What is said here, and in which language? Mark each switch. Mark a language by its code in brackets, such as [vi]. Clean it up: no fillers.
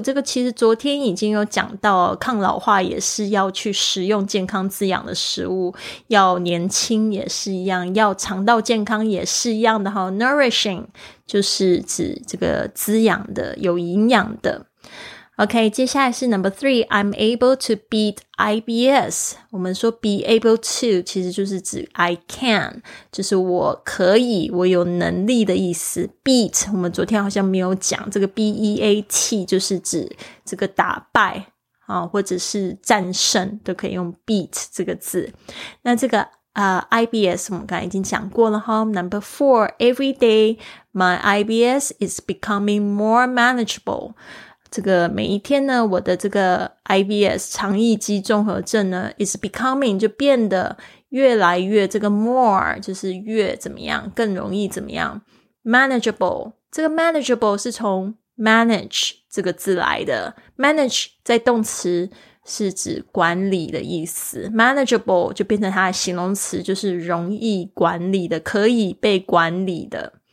[zh] 这个其实昨天已经有讲到，抗老化也是要去食用健康滋养的食物，要年轻也是一样，要肠道健康也是一样的。 nourishing 就是指这个滋养的，有营养的。 [en] OK， [zh] 接下来是 [en] number three， I'm able to beat IBS。 [zh] 我们说 be able to 其实就是指 I can， 就是我可以，我有能力的意思。 beat 我们昨天好像没有讲，这个 beat 就是指这个打败啊，或者是战胜，都可以用 beat 这个字。那这个IBS 我们刚才已经讲过了哈。 [en] Number four， Every day my IBS is becoming more manageable。 [zh] 这个每一天呢，我的这个 IBS 肠易激综合症呢 [en] is becoming [zh] 就变得越来越，这个 more 就是越怎么样，更容易怎么样， manageable。这个 manageable 是从 manage 这个字来的， manage 在动词是指管理的意思， manageable 就变成它的形容词，就是容易管理的，可以被管理的。